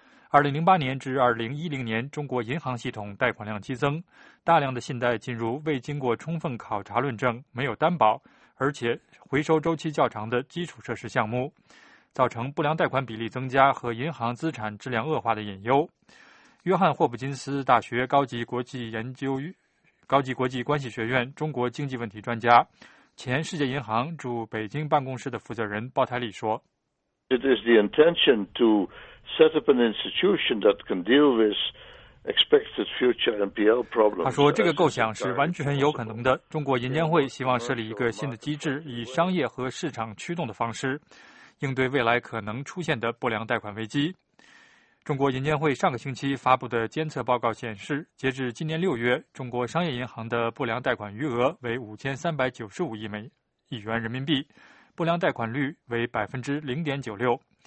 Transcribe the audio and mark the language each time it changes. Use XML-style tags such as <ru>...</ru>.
<zh>2008年至2010年，中国银行系统贷款量激增，大量的信贷进入未经过充分考察论证、没有担保而且回收周期较长的基础设施项目，造成不良贷款比例增加和银行资产质量恶化的隐忧。约翰霍普金斯大学高级国际关系学院中国经济问题专家、前世界银行驻北京办公室的负责人鲍台里说，</zh> <en>It is the intention to set up an institution that can deal withExpected future NPL problems.</en> <zh>他说，这个构想是完全有可能的。中国银监会希望设立一个新的机制，以商业和市场驱动的方式应对未来可能出现的不良贷款危机。中国银监会上个星期发布的监测报告显示，截至今年六月，中国商业银行的不良贷款余额为5395亿元人民币，不良贷款率为0.96%。</zh>